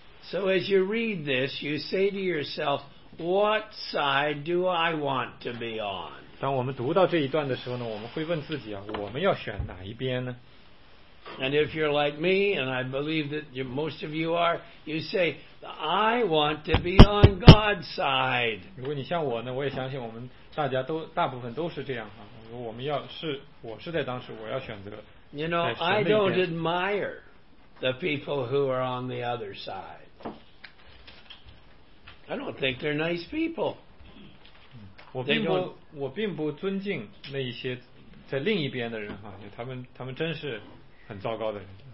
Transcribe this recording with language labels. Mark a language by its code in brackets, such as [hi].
[en] So as you read this, you say to yourself, what side do I want to be on? [zh] 当我们读到这一段的时候呢，我们会问自己啊，我们要选哪一边呢？ [en] And if you're like me, and I believe that most of you are, you say, I want to be on God's side. [zh] 如果你像我呢，我也相信我们大家都大部分都是这样啊。我们要是我是在当时，我要选择在神那边。 [en] You know, I don't admire the people who are on the other side. I don't think they're nice people. [zh] 我并不尊敬那一些在另一边的人哈，他们真是很糟糕的人。